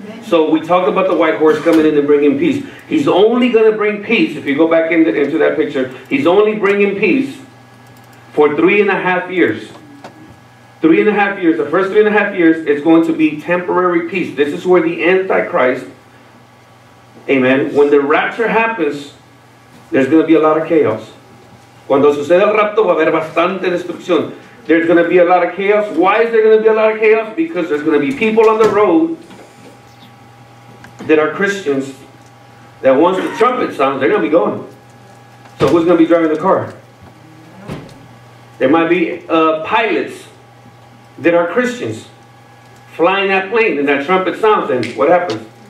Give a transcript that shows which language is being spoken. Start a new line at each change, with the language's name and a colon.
English: So we talk about the white horse coming in and bringing peace. He's only going to bring peace, if you go back into that picture, he's only bringing peace for 3.5 years. 3.5 years, the first 3.5 years, it's going to be temporary peace. This is where the Antichrist, amen, when the rapture happens, there's going to be a lot of chaos.
Spanish: Cuando sucede el rapto, va a haber bastante destrucción.
English: There's going to be a lot of chaos. Why is there going to be a lot of chaos? Because there's going to be people on the road that are Christians that once the trumpet sounds, they're going to be gone. So who's going to be driving the car? There might be pilots that are Christians flying that plane and that trumpet sounds, and what happens?